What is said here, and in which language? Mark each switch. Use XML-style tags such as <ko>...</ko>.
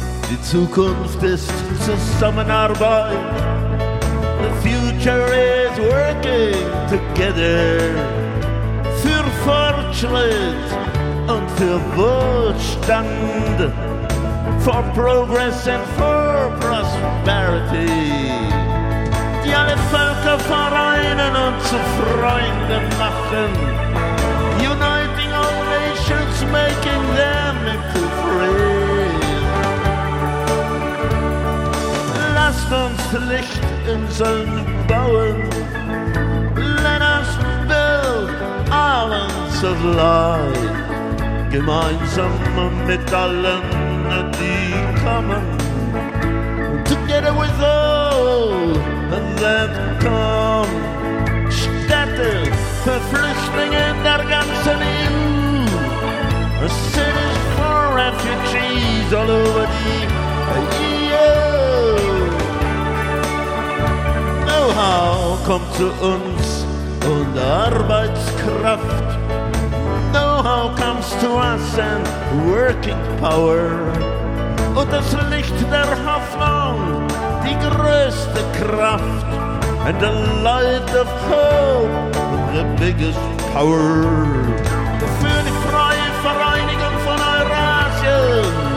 <de>Die Zukunft ist Zusammenarbeit.</de> <en>The future is working together.</en> <de>Für Fortschritt und für Wohlstand.</de> <en>For progress and for prosperity.</en> <de>Die alle Völker vereinen und zu Freunden machen.</de> <en>Uniting all nations, making them into free.</en> <de>Lasst uns Lichtinseln bauen.</de> <en>Let us build islands of light.</en> <de>Gemeinsam mit allen, die kommen.</de> <en>Together with all that come.</en> <de>Städte für Flüchtlinge der ganzen EU.</de> <en>Cities for refugees all over the EU.</en> <de>Know-how kommt zu uns und Arbeitskraft.</de> <en>Know-how comes to us and working power.</en> <de>Und das Licht der Hoffnung, die größte Kraft.</de> <en>And the light of hope, the biggest power.</en> <de>Für die freie Vereinigung von Eurasien.</de>